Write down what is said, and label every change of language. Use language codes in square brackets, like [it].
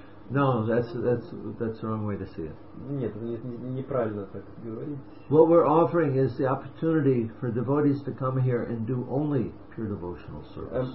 [en] No, that's the wrong way to see it. [ru] Нет, неправильно так говорить. [en] What we're offering is the opportunity for devotees to come here and do only pure devotional service.